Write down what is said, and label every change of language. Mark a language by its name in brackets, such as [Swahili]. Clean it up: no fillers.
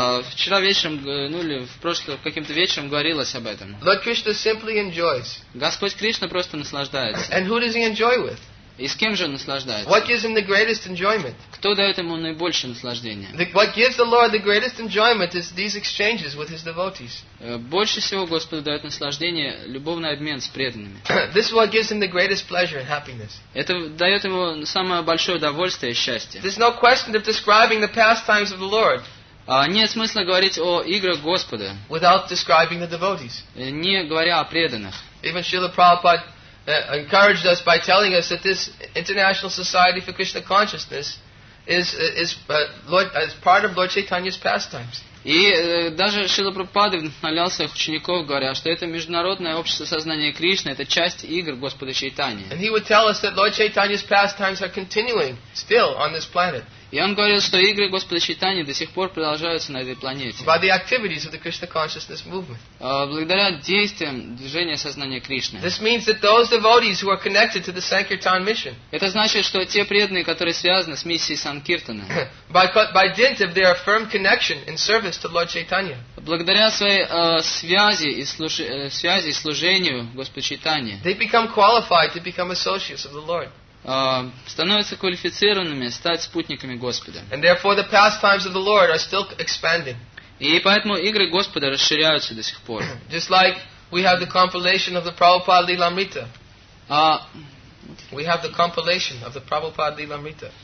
[Russian] Вчера вечером, ну или в прошлом каким-то вечером говорилось об этом. [English] Lord Krishna simply enjoys. [Russian] Господь Кришна просто наслаждается. [English] And who does he enjoy with? [Russian] И с кем же он наслаждается? [English] What gives him the greatest enjoyment? [Russian] Кто дает ему наибольшее наслаждение? [English] What gives the Lord the greatest enjoyment is these exchanges with his devotees. [Russian] Больше всего Господу дает наслаждение любовный обмен с преданными. [English] This is what gives him the greatest pleasure and happiness. [Russian] Это дает ему самое большое удовольствие и счастье. [English] There's no question of describing the pastimes of the Lord. [Russian] Нет смысла говорить о играх Господа. [English] Without describing the devotees. [Russian] Не говоря о преданных. [English] Even Srila Prabhupada encouraged us by telling us that this International Society for Krishna Consciousness is part of Lord Chaitanya's pastimes. [Russian] И даже Шрила Прабхупада вдохновлял своих учеников, говоря, что это международное общество сознания Кришны, это часть игр Господа Чайтани. [English] And he would tell us that Lord Chaitanya's pastimes are continuing still on this planet. [Russian] И он говорил, что игры Господа Чайтани до сих пор продолжаются на этой планете. [English] By the activities of the Krishna consciousness movement. [Russian] Благодаря действиям движения сознания Кришны. [English] This means that those devotees who are connected to the Sankirtan mission. [Russian] Это значит, что те преданные, которые связаны с миссией Санкиртана. [English] By dint of their firm connection in service to Lord Chaitanya. [Russian] Благодаря своей связи и служению Господу Чайтани. [English] They become qualified to become associates of the Lord. [Russian] Становятся квалифицированными стать спутниками Господа. [English] And therefore the pastimes of the Lord are still expanding. [Russian] И поэтому игры Господа расширяются до сих пор. [English] Just like we have the compilation of the Prabhupada Lilamrita. We have the compilation of the Prabhupada Lilamrita.